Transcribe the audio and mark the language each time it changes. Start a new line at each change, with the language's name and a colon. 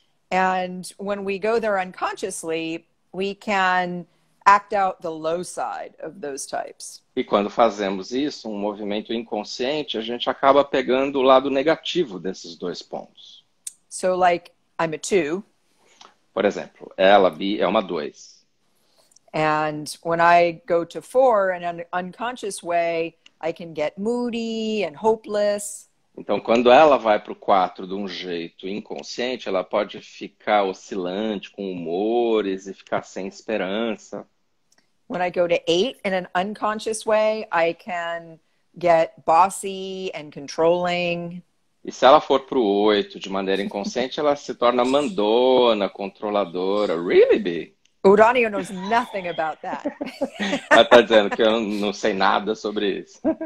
English: And when we go there unconsciously, we can act out the low side of those types.
Portuguese: E quando fazemos isso, um movimento inconsciente, a gente acaba pegando o lado negativo desses dois pontos.
English: So, like, I'm a two.
Portuguese: Por exemplo, ela, B, é uma dois.
English: And when I go to four in an unconscious way, I can get moody and hopeless.
Portuguese: Então, quando ela vai para o 4 de um jeito inconsciente, ela pode ficar oscilante com humores e ficar sem esperança.
English: When I go to 8 in an unconscious way, I can get bossy and controlling.
Portuguese: E se ela for para o 8 de maneira inconsciente, ela se torna mandona, controladora.
English: Really, B? Urânio knows nothing about that.
Portuguese: Ela está dizendo que eu não sei nada sobre isso.